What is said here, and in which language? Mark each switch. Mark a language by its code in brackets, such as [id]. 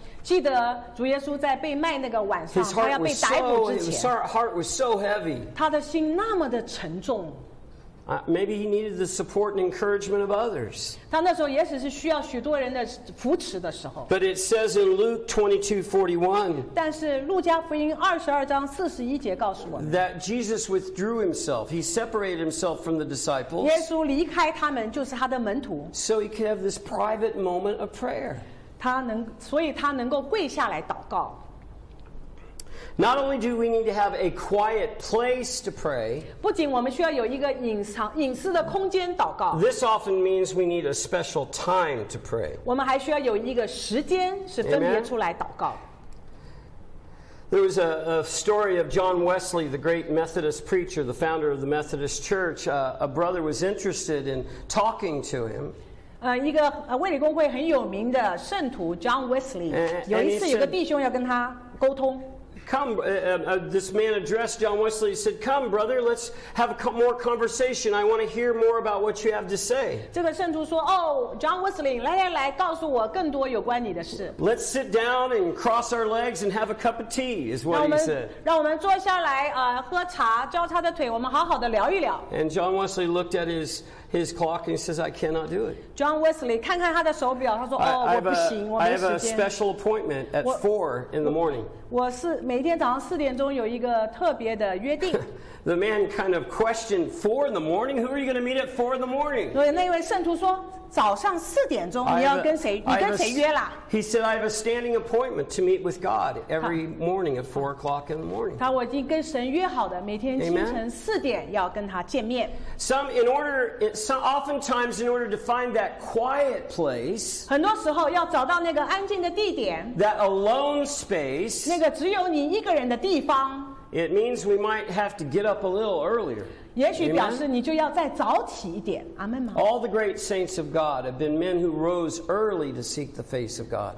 [zh] 记得主耶稣在被卖那个晚上，他要被逮捕之前 [en] ，His heart was so heavy. [zh] 他的心那么的沉重。 [en] Maybe he needed the support and encouragement of others. [zh] 他那时候也许是需要许多人的扶持的时候。 [en] But it says in Luke 22:41. [zh] 但是路加福音二十二章四十一节告诉我们 [en] ，That Jesus withdrew himself. He separated himself from the disciples. [zh] 耶稣离开他们，就是他的门徒。 [en] So he could have this private moment of prayer. [zh] 所以他能够跪下来祷告。 [en] Not only do we need to have a quiet place to pray, [zh] 不仅我们需要有一个隐私的空间祷告。 [en] This often means we need a special time to pray. [zh] 我们还需要有一个时间是分别出来祷告。 [en] There was a story of John Wesley, the great Methodist preacher, the founder of the Methodist Church. A brother was interested in talking to him. [zh] 一个卫理公会很有名的圣徒 John Wesley 有一次有个弟兄要跟他沟通 [en] Come, this man addressed John Wesley he said, Come brother, let's have more conversation I want to hear more about what you have to say [zh] 这个圣徒说、oh, John Wesley, 来来来告诉我更多有关你的事 [en] Let's sit down and cross our legs and have a cup of tea is what he said [zh] 让我们坐下来、喝茶交叉的腿我们好好的聊一聊 [en] And John Wesley looked at his clock and he says, I cannot do it. [zh] John Wesley, 看看他的手表他说、oh, 我不行我没时间 [en] I have a special appointment at 4 in the morning. [zh] 我是每天早上四点钟有一个特别的约定 [en] The man kind of questioned, 4 in the morning? Who are you going to meet at 4 in the morning? [zh] 对, 那位圣徒说, 早上4点钟, 你要跟谁, 你跟谁约啦? [en] He said, I have a standing appointment to meet with God every morning at 4 o'clock in the morning. [zh] 他我已经跟神约好的, 每天清晨4点要跟他见面。 [en] Some, in order, oftentimes in order to find that quiet place, [zh] 很多时候要找到那个安静的地点, [en] that alone space, [zh] 那个只有你一个人的地方, [en] it means we might have to get up a little earlier. [zh] 也许表示你就要再早起一点, Amen? [en] All the great saints of God have been men who rose early to seek the face of God.